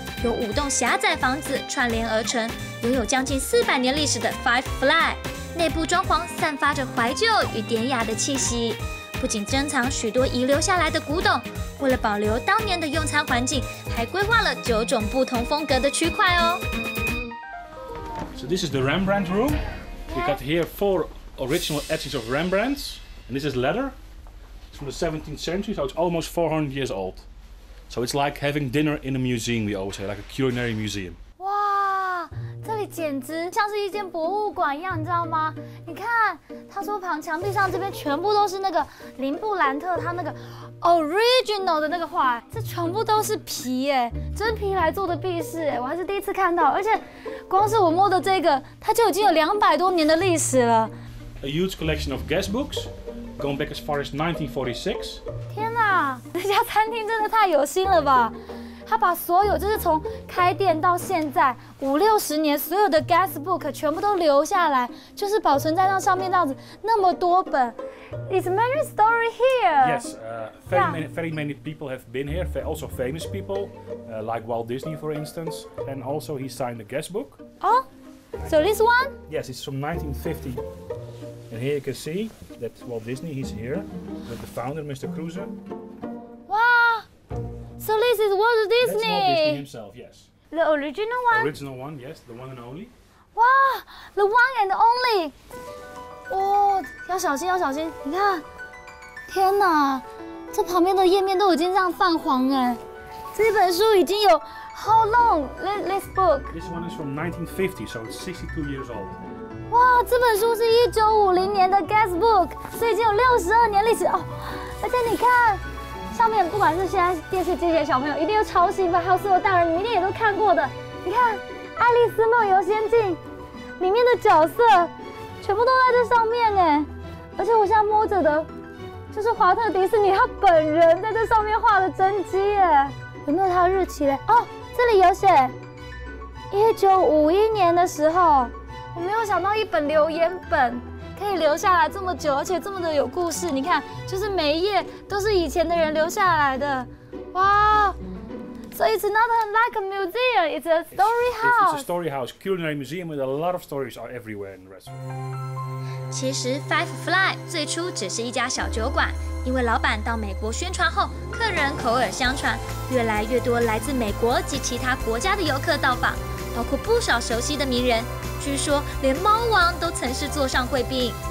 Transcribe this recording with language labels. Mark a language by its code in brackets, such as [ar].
[zh] 有5栋狭窄房子串联而成，拥有将近400年历史的 Five Fly， 内部装潢散发着怀旧与典雅的气息。不仅珍藏许多遗留下来的古董，为了保留当年的用餐环境，还规划了9种不同风格的区块哦。 [en] So this is the Rembrandt room. We got here 4 original etchings of Rembrandt, and this is leather. It's from the 17th century, so it's almost 400 years old. So it's like having dinner in a museum. We always say like a culinary museum. [zh] 哇，这里简直像是一间博物馆一样，你知道吗？你看。他说旁墙壁上这边全部都是那个林布兰特他那个 original 的那个画，这全部都是皮耶，真皮来做的壁饰耶，我还是第一次看到，而且光是我摸的这个它就已经有200多年的历史了。 [en] A huge collection of guest books going back as far as 1946. [zh] 天哪，这家餐厅真的太有心了吧，他把所有就是从开店到现在50-60年所有的 guest book 全部都留下来，就是保存在那上面这样子那么多本。 [en] It's many story here. Yes, very many people have been here. Also famous people, like Walt Disney, for instance. And also he signed the guest book. Oh, so this one? Yes, it's from 1950. And here you can see that Walt Disney is here with the founder, Mr. Kruse. So this is Walt Disney. That's Walt Disney himself, yes. The original one. Original one, yes, the one and only. Wow, the one and only. [zh] 哇，要小心，要小心！你看，天哪，这旁边的页面都已经这样泛黄哎。这本书已经有 [en] how long this book? This one is from 1950, so it's 62 years old. [zh] 哇，这本书是1950年的 guest book, 所以已经有62年历史哦。而且你看。上面不管是现在电视机前小朋友一定又超兴奋，还有所有大人一定也都看过的。你看《爱丽丝梦游仙境》里面的角色全部都在这上面耶，而且我现在摸着的就是华特迪士尼他本人在这上面画的真迹耶。有没有他的日期呢？哦，这里有写1951年的时候。我没有想到一本留言本可以留下来这么久，而且这么的有故事。你看，就是每一页都是以前的人留下来的。哇！ [en] So it's not like a museum, it's a story house. It's a story house, culinary museum with a lot of stories are everywhere in the restaurant. [zh] 其实 Firefly 最初只是一家小酒馆，因为老板到美国宣传后，客人口耳相传，越来越多来自美国及其他国家的游客到访，包括不少熟悉的名人，据说连猫王都曾是座上贵宾。